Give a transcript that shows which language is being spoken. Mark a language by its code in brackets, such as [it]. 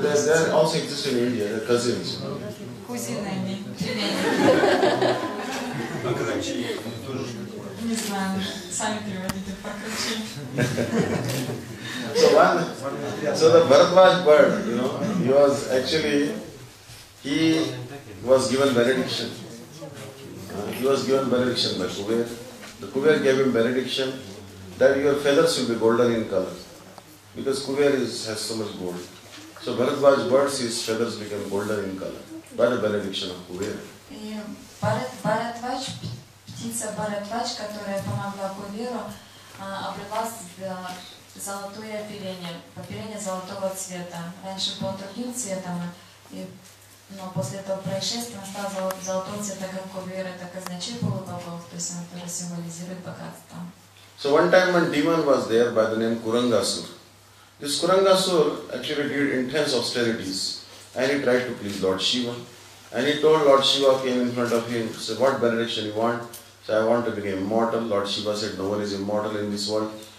[en] They are also exist in India, they're cousins. [ru] Кузины, они. Не знаю, сами переводите покруче. [en] So the Bharadwaj bird, you know, he was given benediction. He was given benediction by Kuber. The Kuber gave him benediction that your feathers will be golden in color. Because Kuber has so much gold. So Bharadwaj birds, his feathers become golden in color by the benediction of Kuber. [ru] Золотое оперение, оперение золотого цвета. Раньше был другим цветом, но после этого происшествия он стал золотого цвета, как кувер, это казначей полубогов, то есть он тоже символизирует богатство. [en] So one time one demon was there by the name Kurangasur. This Kurangasur actually did intense austerities and he tried to please Lord Shiva. And he told Lord Shiva, came in front of him, said, what benediction you want? So I want to become immortal. Lord Shiva said, no one is immortal in this world.